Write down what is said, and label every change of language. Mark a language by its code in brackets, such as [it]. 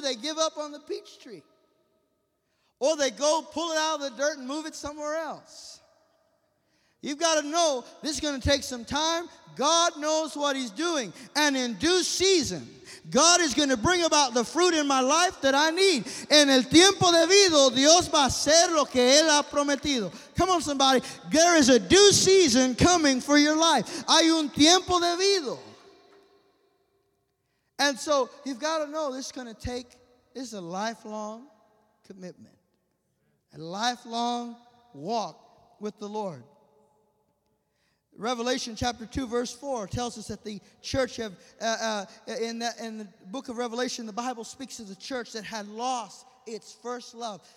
[en] They give up on the peach tree. Or they go pull it out of the dirt and move it somewhere else. You've got to know this is going to take some time. God knows what he's doing. And in due season, God is going to bring about the fruit in my life that I need. [es] En el tiempo debido, Dios va a hacer lo que él ha prometido. [en] Come on, somebody. There is a due season coming for your life. [es] Hay un tiempo debido. [en] And so you've got to know this is going to take, this is a lifelong commitment. A lifelong walk with the Lord. Revelation chapter 2 verse 4 tells us that the church have, in the book of Revelation, the Bible speaks of the church that had lost its first love.